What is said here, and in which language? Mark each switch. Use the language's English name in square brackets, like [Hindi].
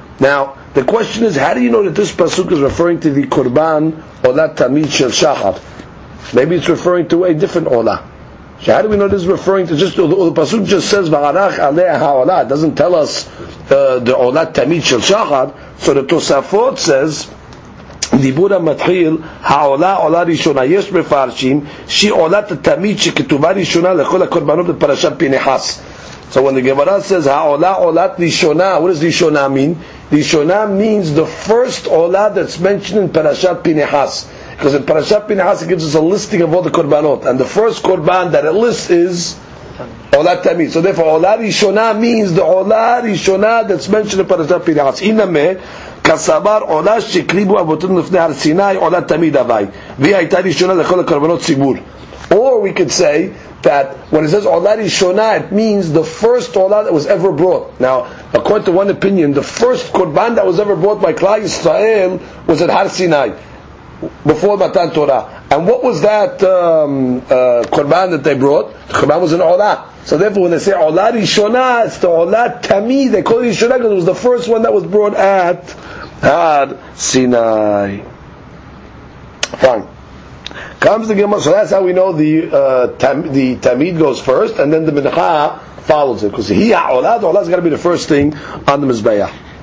[English] Now the question is, how do you know that this pasuk is referring to the korban ola tamid shel shachar? Maybe it's referring to a different ola. So how do we know this is referring to just the pasuk just says the arach aleha ha'ola? It doesn't tell us the ola tamid shel shachar. So the Tosafot says, [Hebrew] דיבור המתחיל, העולה עולה ראשונה, יש מפרשים שהיא עולת התמיד שכתובה ראשונה לכל הקורבנות בפרשת פנחס. [English] So when the Gemara says, [Hebrew] העולה עולת ראשונה, [English] what does ראשונה mean? ראשונה means the first עולה that's mentioned in פרשת פנחס. Because in פרשת פנחס it gives us a listing of all the קורבנות. And the first קורבן that it lists is עולת תמיד. So therefore, עולה ראשונה means the עולה ראשונה that's mentioned in פרשת פנחס. [Hebrew] הנה כסבר עולה שקריבו אבותינו לפני הר סיני עולה תמיד הווי והיא הייתה ראשונה לכל הקורבנות ציבור. [English] Or we could say that when it says עולה ראשונה, it means the first עולה that was ever brought. Now, according to one opinion, the first קורבן that was ever brought by Klal Yisrael was at הר סיני before מתן תורה. And what was that קורבן that they brought? The קורבן was an עולה. So therefore when they say עולה ראשונה, it's the עולה תמיד. They call it ראשונה because it was the first one that was brought at Had Sinai. Fine. Comes the Gemara, so that's how we know the Tamid goes first, and then the Mincha follows it. Because the Ola has got to be the first thing on the Mizbeah.